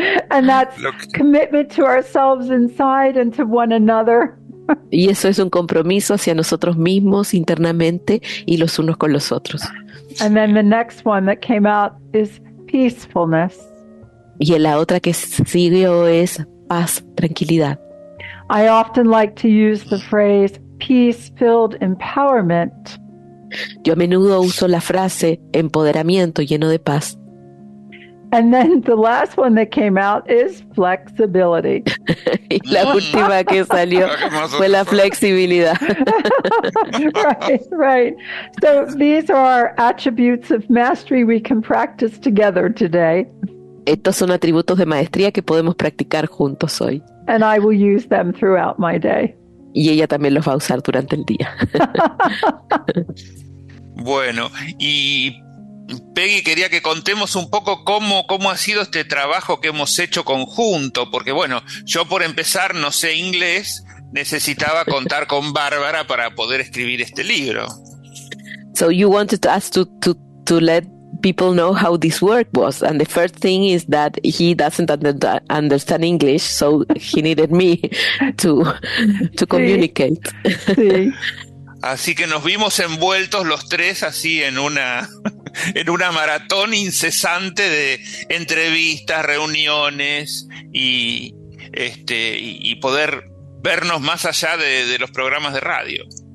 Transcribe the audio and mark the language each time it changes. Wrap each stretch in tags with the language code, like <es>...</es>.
<en>And that's commitment to ourselves inside and to one another.</en> <es>Y eso es un compromiso hacia nosotros mismos internamente y los unos con los otros.</es> <en>And then the next one that came out is peacefulness.</en> <es>Y la otra que siguió es paz, tranquilidad.</es> <en>I often like to use the phrase peace-filled empowerment.</en> <es>Yo a menudo uso la frase empoderamiento lleno de paz.</es> <en>And then the last one that came out is flexibility.</en> <es>Y la última que salió fue la flexibilidad.</es> <en>Right, right. So these are attributes of mastery we can practice together today.</en> <es>Estos son atributos de maestría que podemos practicar juntos hoy.</es> <en>And I will use them throughout my day.</en> <es>Y ella también los va a usar durante el día. Bueno, y Peggy, quería que contemos un poco cómo ha sido este trabajo que hemos hecho conjunto, porque bueno, yo por empezar no sé inglés, necesitaba contar con Bárbara para poder escribir este libro.</es> <en>So you wanted us to let people know how this work was, and the first thing is that he doesn't understand English, so he needed me to communicate.</en> <es>Sí. Así que nos vimos envueltos los tres así en una en una maratón incesante de entrevistas, reuniones y poder vernos más allá de los programas de radio.</es>